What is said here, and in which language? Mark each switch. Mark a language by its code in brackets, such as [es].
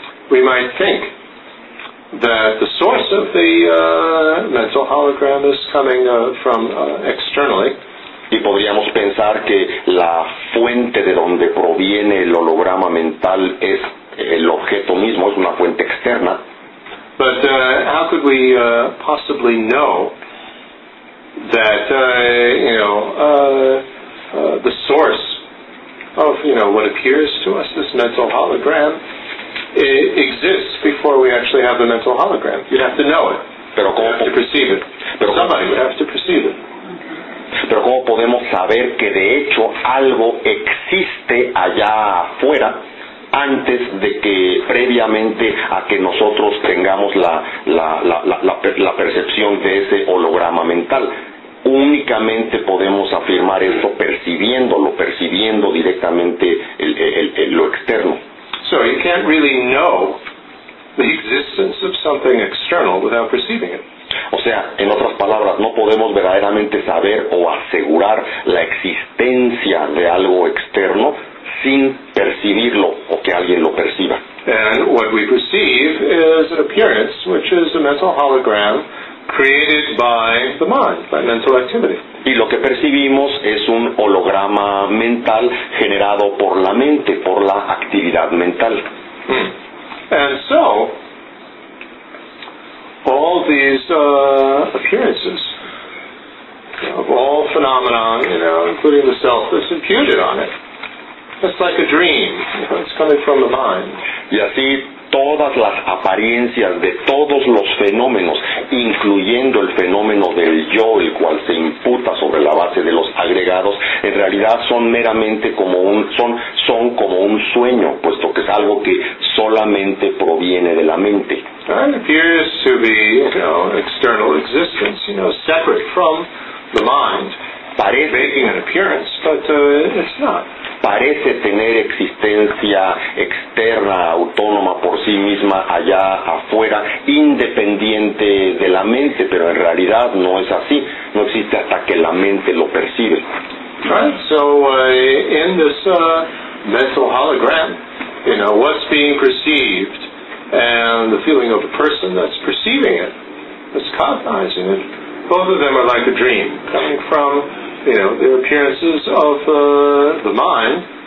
[en] We might think that the source of the mental hologram is coming from externally. [es] Y podríamos pensar que la fuente de donde proviene el holograma mental es el objeto mismo, es una fuente externa. [en] But how could we possibly know that, you know, the source of, you know, what appears to us, this mental hologram, exists before we actually have the mental hologram? You'd have to know it. [es] Pero cómo [en] to perceive it. [es] Pero [en] somebody would have to perceive it. [es] Pero cómo podemos saber que de hecho algo existe allá afuera, antes de que, previamente a que nosotros tengamos la percepción de ese holograma mental. Únicamente podemos afirmar eso percibiendo directamente el lo externo. [en] So you can't really know the existence of something external without perceiving it. [es] O sea, en otras palabras, no podemos verdaderamente saber o asegurar la existencia de algo externo sin percibirlo o que alguien lo perciba. [en] And what we perceive is an appearance which is a mental hologram created by the mind, by mental activity. [es] Y lo que percibimos es un holograma mental generado por la mente, por la actividad mental. [en] And so all these appearances, all phenomena, including the self, that's imputed on it. It's like a dream. It's coming from the mind. [es] Y así todas las apariencias de todos los fenómenos, incluyendo el fenómeno del yo, el cual se imputa sobre la base de los agregados, en realidad son meramente como un, son como un sueño, puesto que es algo que solamente proviene de la mente. [en] And it appears to be, external existence, separate from the mind. [es] Parece, [en] making an appearance, but it's not. [es] Parece tener existencia externa, autónoma por sí misma, allá afuera, independiente de la mente, pero en realidad no es así. No existe hasta que la mente lo percibe. [en] Right. So, in this mental hologram, what's being perceived, and the feeling of the person that's perceiving it, that's cognizing it, both of them are like a dream coming from the appearances of the mind.